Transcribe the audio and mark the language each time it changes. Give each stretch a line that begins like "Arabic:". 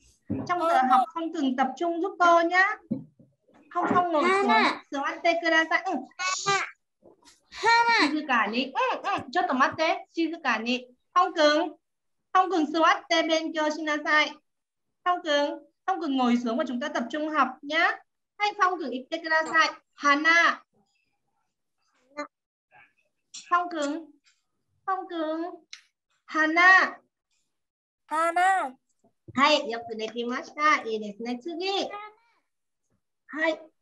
Japanese: 今日は、
Vietnamese: トンくん、tập trung giúp cô nhá。
Japanese: トンくん、
Vietnamese: ngồi xuống、
Japanese: 座ってください。うん。静かに、うんうん、ちょっと待って、静かに。トンくん、トンくん座って勉強しなさい。
Vietnamese: トンくん、トンくん ngồi xuống và chúng ta tập trung học nhé。
Japanese: はい、トンくん言ってください。花。トンくん、トンくん、花。花。はい、よくできました。いいですね。次。はい。